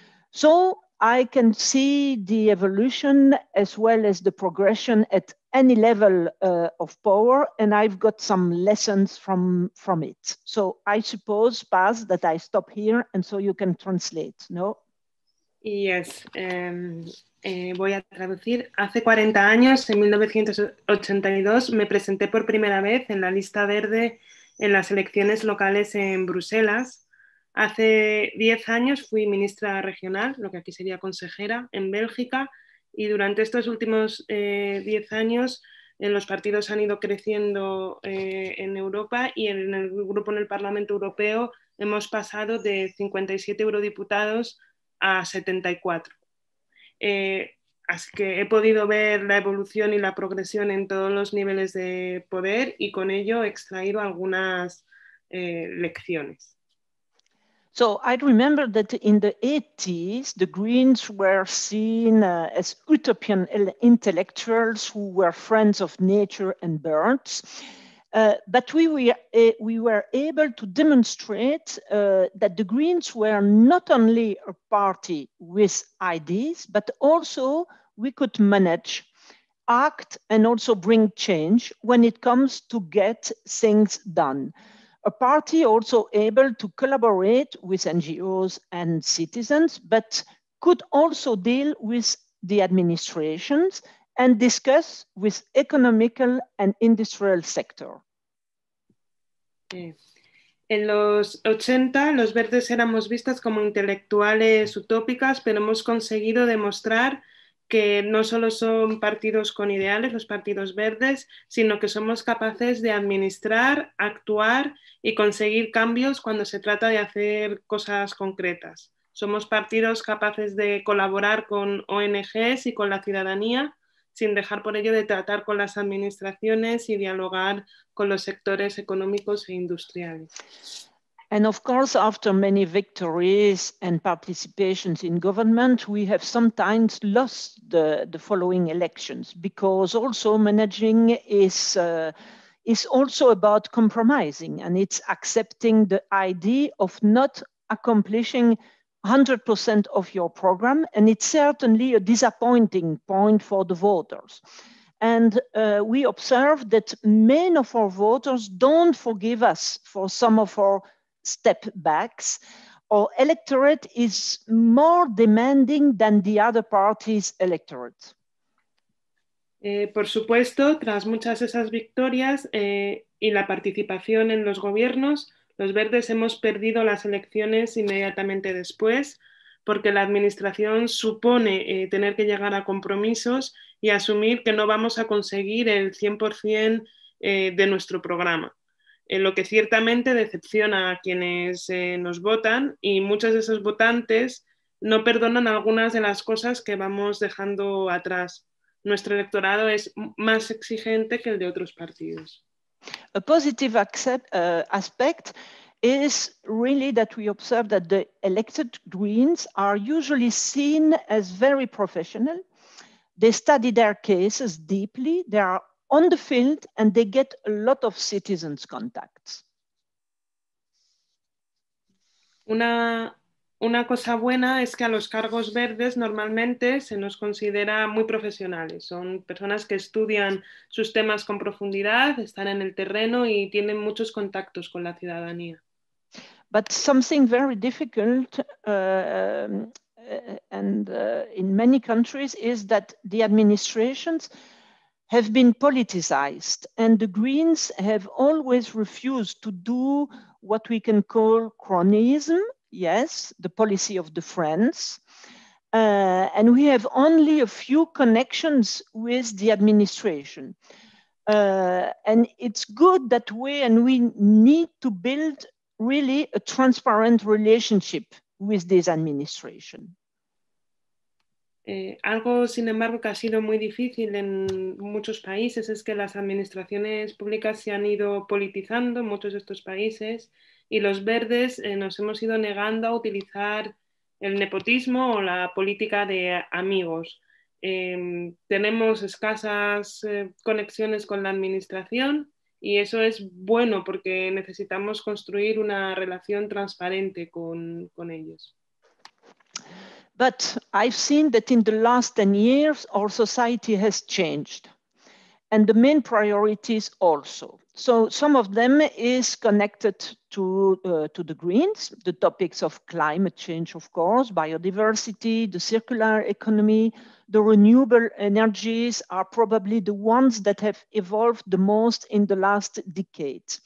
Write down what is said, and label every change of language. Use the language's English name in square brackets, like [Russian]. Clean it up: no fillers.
[English] So I can see the evolution as well as the progression at any level of power, and I've got some lessons from it. So I suppose, Paz, that I stop here, and so you can translate, no? [Spanish] Yes, voy a traducir. Hace 40 años, en 1982, me presenté por primera vez en la lista verde en las elecciones locales en Bruselas. Hace 10 años fui ministra regional, lo que aquí sería consejera, en Bélgica, y durante estos últimos 10 años los partidos han ido creciendo en Europa, y en el grupo en el Parlamento Europeo hemos pasado de 57 eurodiputados a 74. Así que he podido ver la evolución y la progresión en todos los niveles de poder y con ello he extraído algunas lecciones. [English] So I remember that in the 80s, the Greens were seen as utopian intellectuals who were friends of nature and birds. But we were able to demonstrate that the Greens were not only a party with ideas, but also we could manage, act, and also bring change when it comes to get things done. A party also able to collaborate with NGOs and citizens, but could also deal with the administrations and discuss with economical and industrial sector. [Spanish] En los 80, los verdes éramos vistas como intelectuales utópicas, pero hemos conseguido demostrar que no solo son partidos con ideales, los partidos verdes, sino que somos capaces de administrar, actuar y conseguir cambios cuando se trata de hacer cosas concretas. Somos partidos capaces de colaborar con ONGs y con la ciudadanía sin dejar por ello de tratar con las administraciones y dialogar con los sectores económicos e industriales. [English] And of course, after many victories and participations in government, we have sometimes lost the following elections, because also managing is also about compromising, and it's accepting the idea of not accomplishing 100% of your program, and it's certainly a disappointing point for the voters. And we observe that many of our voters don't forgive us for some of our step backs. Our electorate is more demanding than the other party's electorate. [Spanish] Por supuesto, tras muchas de esas victorias y la participación en los gobiernos, los verdes hemos perdido las elecciones inmediatamente después, porque la administración supone tener que llegar a compromisos y asumir que no vamos a conseguir el 100% de nuestro programa. Lo que ciertamente decepciona a quienes nos votan, y muchos de esos votantes no perdonan algunas de las cosas que vamos dejando atrás. Nuestro electorado es más exigente que el de otros partidos. [English] A positive aspect is really that we observe that the elected Greens are usually seen as very professional. They study their cases deeply, they are on the field, and they get a lot of citizens' contacts. [Spanish] Una cosa buena es que a los cargos verdes normalmente se nos considera muy profesionales. Son personas que estudian sus temas con profundidad, están en el terreno y tienen muchos contactos con la ciudadanía. [English] But something very difficult in many countries is that the administrations have been politicized, and the Greens have always refused to do what we can call cronyism. Yes, the policy of the friends. And we have only a few connections with the administration. And it's good that way, and we need to build really a transparent relationship with this administration. [Spanish] Algo, sin embargo, que ha sido muy difícil en muchos países es que las administraciones públicas se han ido politizando en muchos de estos países. Y los verdes nos hemos ido negando a utilizar el nepotismo o la política de amigos. Tenemos escasas conexiones con la administración, y eso es bueno porque necesitamos construir una relación transparente con ellos. [English] But I've seen that in the last 10 years our society has changed, and the main priorities also. So some of them is connected to the Greens, the topics of climate change, of course, biodiversity, the circular economy, the renewable energies are probably the ones that have evolved the most in the last decade.